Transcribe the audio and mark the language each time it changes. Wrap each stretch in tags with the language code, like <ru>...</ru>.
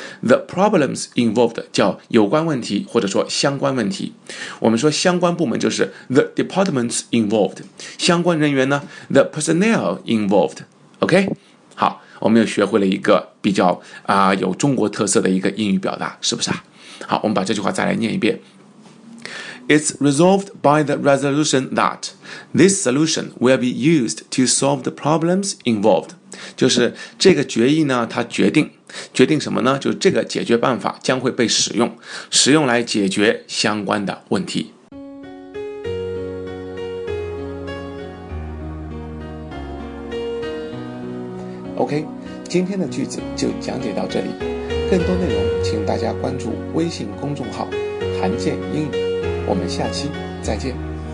<en>The problems involved</en> <zh>叫有关问题或者说相关问题，我们说相关部门就是</zh> <en>the departments involved，</en> <zh>相关人员呢</zh> <en>the personnel involved。</en> <zh>OK， 好，我们又学会了一个比较有中国特色的一个英语表达，是不是啊？好，我们把这句话再来念一遍。</zh> <en>It's resolved by the resolution that this solution will be used to solve the problems involved，</en> <zh>就是这个决议呢，它决定什么呢？就是这个解决办法将会被使用来解决相关的问题。 OK， 今天的句子就讲解到这里，更多内容请大家关注微信公众号韩健英语，我们下期再见。</zh>